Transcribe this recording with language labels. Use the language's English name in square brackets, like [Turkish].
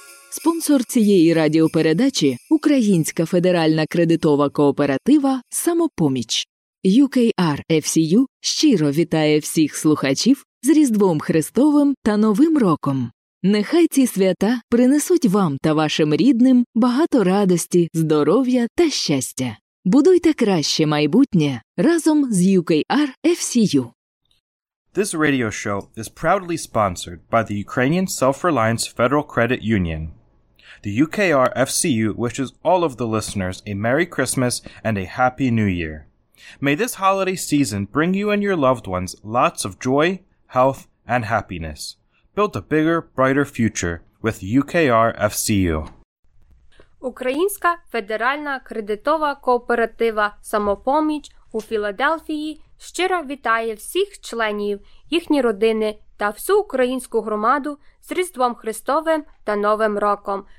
[Ukrainian] Спонсор цієї радіопередачі – Українська федеральна кредитова кооператива «Самопоміч». UKRFCU щиро вітає всіх слухачів з Різдвом Христовим та Новим Роком! Нехай ці свята принесуть вам та вашим рідним багато радості, здоров'я та щастя. Будуйте краще майбутнє разом з UKR FCU. [English] This radio show is proudly sponsored by the Ukrainian Self-Reliance Federal Credit Union. The UKR FCU wishes all of the listeners a Merry Christmas and a Happy New Year. May this holiday season bring you and your loved ones lots of joy, health, and happiness. Build a bigger, brighter future with UKR FCU. [Ukrainian] Українська федеральна кредитова кооператива «Самопоміч» у Філадельфії щиро вітає всіх членів, їхні родини та всю українську громаду з Різдвом Христовим та Новим Роком.